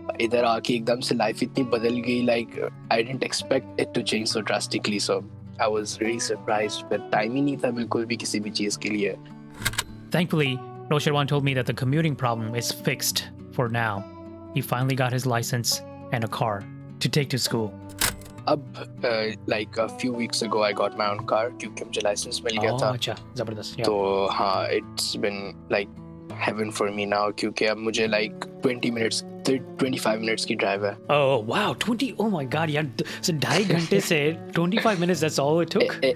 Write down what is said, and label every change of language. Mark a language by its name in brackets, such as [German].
[Urdu] Idhar aake ekdam se life itni badal gayi, [English] like I didn't expect it to change so drastically, so I was really surprised, but [Urdu] time hi nahi tha bilkul bhi kisi bhi cheez ke liye. [English] Thankfully, Nosherwan told me that the commuting problem is fixed for now. He finally got his license and a car to take to school. अब like a few weeks ago I got my own car [Urdu] क्योंकि मुझे licence मिल गया था. अच्छा जबरदस्त. तो हाँ [English] it's been like heaven for me now [Urdu] क्योंकि अब मुझे [English] लाइक 25 minutes की drive है. Oh wow, 20. Oh my god, [Urdu] यार [English] so [Urdu] ढाई घंटे से [English] 25 minutes, that's all it took.